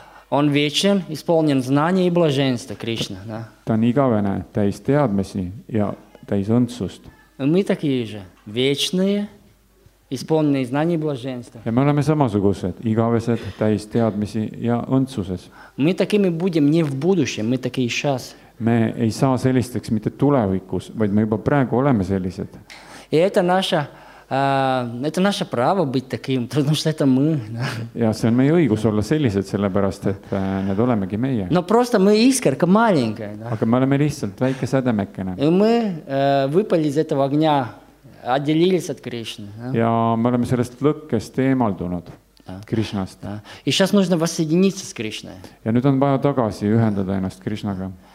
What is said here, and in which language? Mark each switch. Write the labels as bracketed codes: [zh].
[ru] Он вечен, исполнен знания и блаженства, Кришна. [et] Ta on igavene, täis teadmesi ja täis õndsust. [ru] Мы такие же, вечные, исполненные знания и блаженства. [et] Ja me oleme samasugused, igavesed, täis teadmisi ja õndsuses. [ru] Мы такими будем не в будущем, мы такие сейчас. [et] Me ei saa sellisteks mitte tulevikus, vaid me juba praegu oleme sellised. [ru] И это наше право быть таким, потому что это мы. [et] Ja see on meie õigus olla sellised, sellepärast, et need olemegi meie. [ru] No просто мы искорка маленькая. [et] Aga me oleme lihtsalt väike sädemekene. [ru] И мы выпали из этого огня, отделились от Кришны. [et] Ja me oleme sellest lõkkest eemaldunud Кришнаст. [ru] И сейчас нужно воссоединиться с Кришной. [et] Ja nüüd on vaja tagasi ühendada ennast Кришнага.